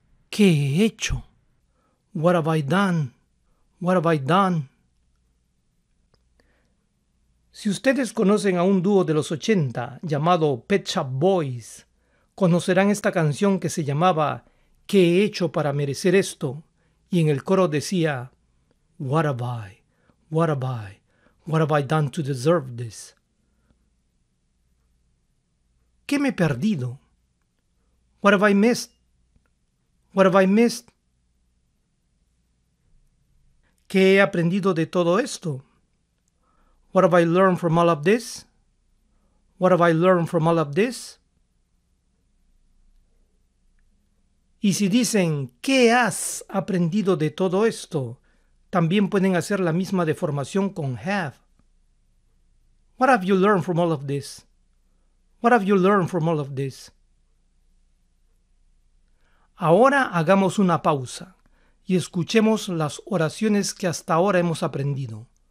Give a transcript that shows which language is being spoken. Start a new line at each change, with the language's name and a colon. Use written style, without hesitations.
Spanish: ¿Qué he hecho?
English: What have I done? What have I done?
Spanish: Si ustedes conocen a un dúo de los 80 llamado Pet Shop Boys, conocerán esta canción que se llamaba ¿Qué he hecho para merecer esto? Y en el coro decía,
English: What have I, what have I, what have I done to deserve this?
Spanish: ¿Qué me he perdido?
English: What have I missed? What have I missed?
Spanish: ¿Qué he aprendido de todo esto?
English: What have I learned from all of this? What have I learned from all of this?
Spanish: Y si dicen, ¿qué has aprendido de todo esto? También pueden hacer la misma deformación con have.
English: What have you learned from all of this? What have you learned from all of this?
Spanish: Ahora hagamos una pausa y escuchemos las oraciones que hasta ahora hemos aprendido.